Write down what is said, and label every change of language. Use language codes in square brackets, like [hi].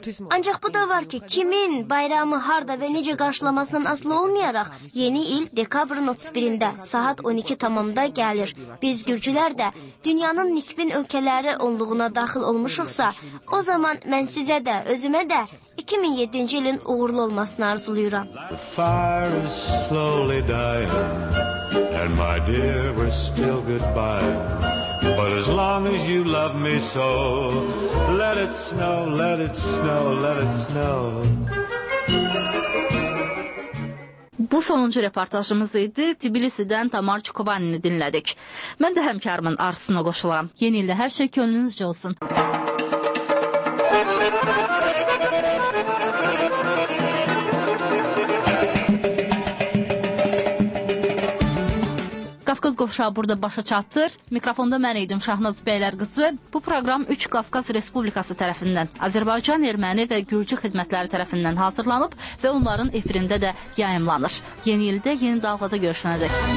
[az] Ancaq bu da var ki, kimin, bayramı, harda və necə qarşılamasından asılı olmayaraq, yeni il dekabrın 31-də saat 12 tamamda gəlir. Biz gürcülər də dünyanın nikbin ölkələri onluğuna daxil olmuşuqsa, o zaman mən sizə də, özümə də 2007-ci ilin uğurlu olmasını arzulayıram. [en] The fire is slowly dying, and my dear, we're still goodbye. But as long as you love me so, let it snow, let it snow, let it snow. [az] Bu sonuncu reportajımız idi. Tbilisi'dən Tamar Çukubanini dinlədik. Mən də həmkarımın arzusuna qoşularam. Yeni ildə hər şey könlünüzcə olsun. Qafqaz Qovşağı burada başa çatır. Mikrofonda mən idim Şahnaz Bəylər qızı. Bu proqram 3 Qafqaz Respublikası tərəfindən, Azərbaycan, Erməni və Gürcü xidmətləri tərəfindən hazırlanıb və onların efirində də yayımlanır. Yeni ildə yeni dalğada görüşənədək.